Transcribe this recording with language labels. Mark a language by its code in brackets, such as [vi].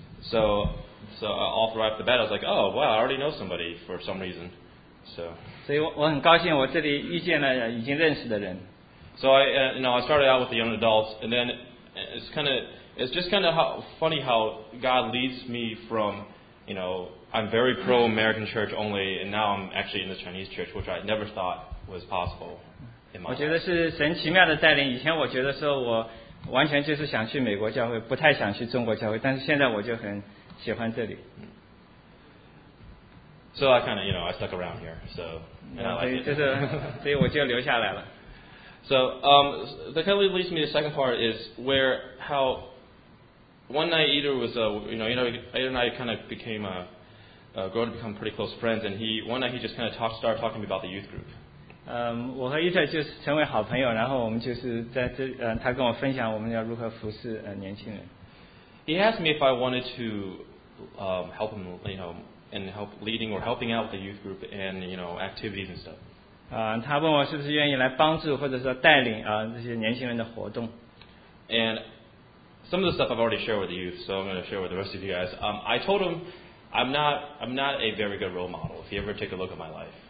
[en] So off right the bat I was like oh wow I already know somebody for some reason so [zh] 所以我很高兴我这里遇见了已经认识的人 [en] so I you know I started out with the young adults and then it's just kind of how funny how God leads me from you know I'm very pro American church only and now I'm actually in the Chinese church which I never thought was possible [zh] 我觉得是神奇妙的带领。以前我觉得说我完全就是想去美国教会，不太想去中国教会。但是现在我就很喜欢这里。 [en] So I kind of, you know, I stuck around here. So, and I like it. [zh] 所以我就留下来了。 [en] So, that kind of leads me to the second part is where how one night Eater was, you know, Eater and I kind of became grow to become pretty close friends. And one night he just kind of started talking to me about the youth group. [zh] 我和伊特就是成为好朋友，然后我们就是在这，他跟我分享我们要如何服侍年轻人。 [en] He asked me if I wanted to help him, you know, and help leading or helping out with the youth group and, you know, activities and stuff. [zh] 他问我是不是愿意来帮助或者说带领这些年轻人的活动。 [en] And some of the stuff I've already shared with the youth, so I'm going to share with the rest of you guys. I told him I'm not a very good role model. If you ever take a look at my life.